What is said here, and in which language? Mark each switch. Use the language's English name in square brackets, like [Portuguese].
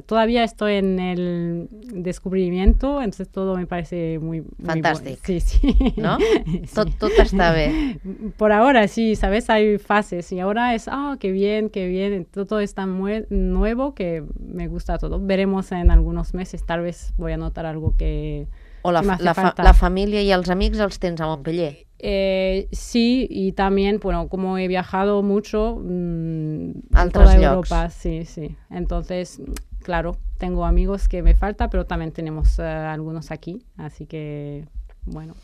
[Spanish] Todavía estoy en el descubrimiento, entonces todo me parece muy... [Catalan] Fantàstic. [Spanish] Muy bueno. Sí, sí. No? Sí. [Catalan] Tot està bé. [Spanish] Por ahora, sí, sabes, hay fases. Y ahora es, qué bien. Todo es tan nuevo que me gusta todo. Veremos en algunos meses, tal vez voy a notar algo que... [Catalan] O la família i els amics els tens a Montpellier. [Spanish] Sí, y también, bueno, como he viajado mucho [Catalan] altres [Spanish] en toda [Catalan] llocs. [Spanish] Europa, sí, sí. Entonces, claro, tengo amigos que me falta, pero también tenemos algunos aquí, así que, bueno.